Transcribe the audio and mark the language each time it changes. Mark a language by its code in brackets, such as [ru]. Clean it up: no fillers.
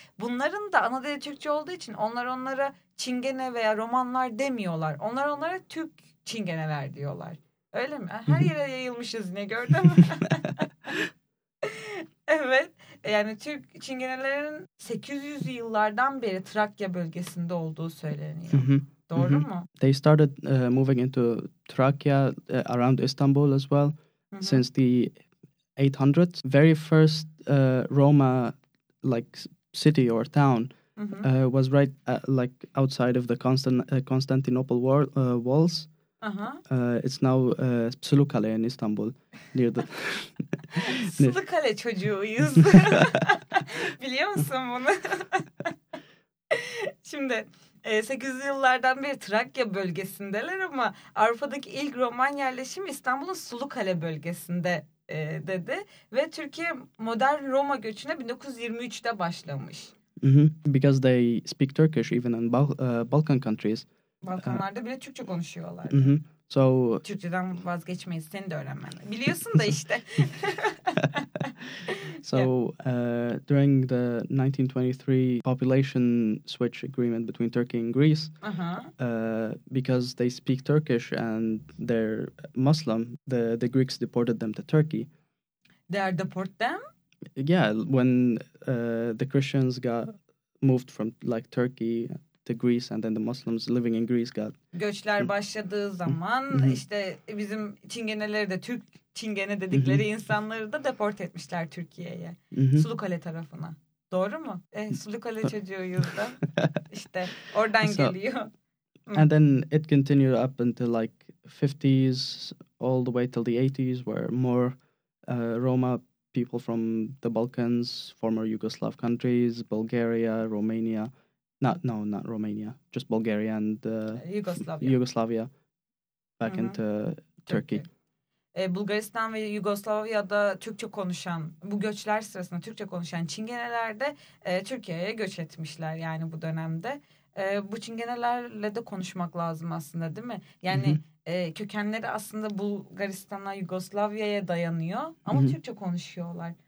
[tr] Bunların da ana dili Türkçe olduğu için onlara çingene veya romanlar demiyorlar. Onlara Türk çingeneler diyorlar. Öyle mi? Her yere yayılmışız yine gördün mü? Evet. Yani Türk Çingenelerin 800'lü yıllardan beri Trakya bölgesinde olduğu söyleniyor. Doğru mu? [en] They started moving into Trakya around Istanbul as well since the 800s. Very first Roma like city or town was right at, like outside of the Constantinople walls. It's now Sulukale in Istanbul near the [tr] Sulukale çocuğuyuz. Biliyor musun bunu? Şimdi 800'lü yıllardan beri Trakya bölgesindeler ama Avrupa'daki ilk Roman yerleşim İstanbul'un Sulukale bölgesinde dedi. Ve Türkiye modern Roma göçüne 1923'te başlamış. [en] Because they speak Turkish even in Balkan countries. [tr] Balkanlarda bile Türkçe konuşuyorlardı. So Türkçeden vazgeçmeyiz, seni de öğrenmen. Biliyorsun da işte. [en] So, during the 1923 population switch agreement between Turkey and Greece, because they speak Turkish and they're Muslim, the Greeks deported them to Turkey. They are deport them. Yeah, when the Christians got moved from like Turkey to Greece, and then the Muslims living in Greece got. [tr] Göçler başladığı zaman işte bizim çingeneleri de Türk çingene dedikleri insanları da deport etmişler Türkiye'ye. Sulukale tarafına. Doğru mu? Sulukale çocuğuyuz da. İşte oradan So, geliyor. [en] and then it continued up until like 50s, all the way till the 80s, where more Roma people from the Balkans, former Yugoslav countries, Bulgaria, Romania, not Romania, just Bulgaria and [tr] Yugoslavya. [en] Yugoslavia back into Turkey. [tr] Türkiye. Bulgaristan ve Yugoslavya'da Türkçe konuşan, bu göçler sırasında Türkçe konuşan çingeneler de Türkiye'ye göç etmişler yani bu dönemde. Bu çingenelerle de konuşmak lazım aslında değil mi? Yani kökenleri aslında Bulgaristan'a, Yugoslavya'ya dayanıyor ama Türkçe konuşuyorlar.